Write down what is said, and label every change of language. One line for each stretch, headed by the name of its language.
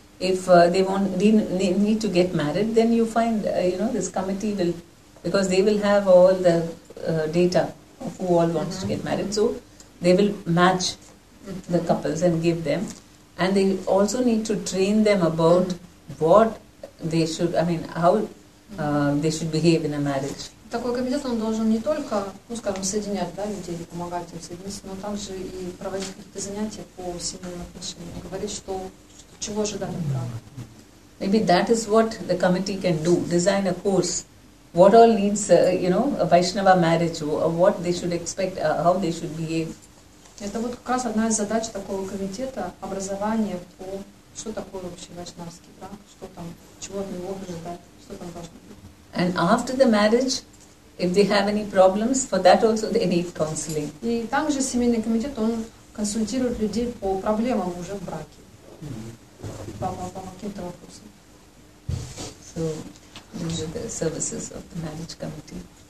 English: If they want, they need to get married, then you find, you know, this committee will, because they will have all the data of who all wants to get married. So they will match the couples and give them. And they also need to train them about what they should, I mean, how they should behave in a marriage.
Russian: Такой комитет, он должен не только, ну, скажем, соединять, да, людей, помогать им соединиться, но также и проводить какие-то занятия по семейным отношениям, говорить, что, чего ожидать от брака.
English: Maybe that is what the committee can do, design a course. What all needs, you know, a Vaishnava marriage, what they should expect, how they should behave.
Russian: Это вот как раз одна из задач такого комитета, образование по... Что такое вообще вайшнавский брак? Что там, чего от него ожидать? Что там должно быть?
English: And after the marriage, if they have any problems, for that also they need counseling.
Russian: И также семейный комитет, он консультирует людей по проблемам уже в браке. По каким-то вопросам.
English: So, these are the services of the marriage committee.